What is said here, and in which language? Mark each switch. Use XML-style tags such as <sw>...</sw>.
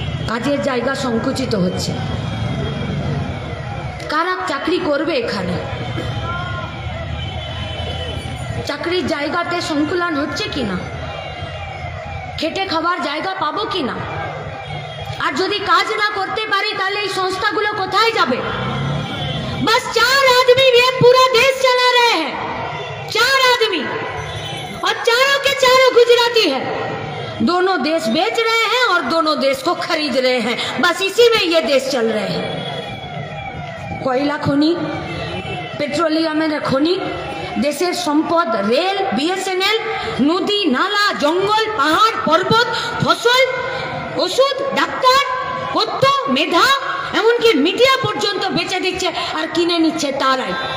<bn>কাজের জায়গা সংকুচিত হচ্ছে, কারা চাকরি করবে এখানে, চাকরির জায়গাতে সংকুলন হচ্ছে কি না, খেটে খাবার জায়গা পাবো কি না, আর যদি কাজ না করতে পারি তাহলে এই সংস্থাগুলো কোথায় যাবে।</bn> <hi>বাস 4 আদমি ये पूरा देश चला रहे हैं, 4 আদমি और चारों के चारों गुजराती है, दोनों देश बेच रहे हैं और दोनों देश को खरीद रहे हैं, बस इसी में ये देश चल रहे हैं।</hi> <bn>कोयला खनि, पेट्रोलियम खनि, দেশের সম্পদ রেল, বিএসএনএল, নদী নালা জঙ্গল পাহাড় পর্বত, ফসল, ওষুধ, ডাক্তার, কত মেধা, এমনকি মিডিয়া পর্যন্ত বেচে দিচ্ছে আর কিনে নিচ্ছে তারাই।</bn>